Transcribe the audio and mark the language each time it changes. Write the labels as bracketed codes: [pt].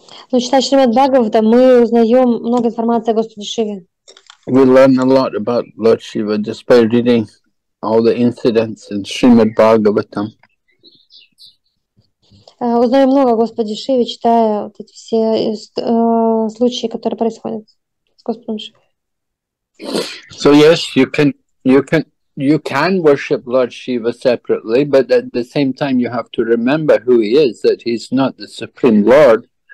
[ru] Ну, читая Шримад Бхагаватам, мы узнаем много информации о Господе Шиве. [en] We learn a lot about Lord Shiva just by reading all the incidents in Srimad Bhagavatam. [ru] Узнаем много о Господе Шиве, читая вот эти все случаи, которые происходят с Господом Шиве. [en] So yes, you can worship Lord Shiva separately, but at the same time you have to remember who he is, that he's not the Supreme Lord.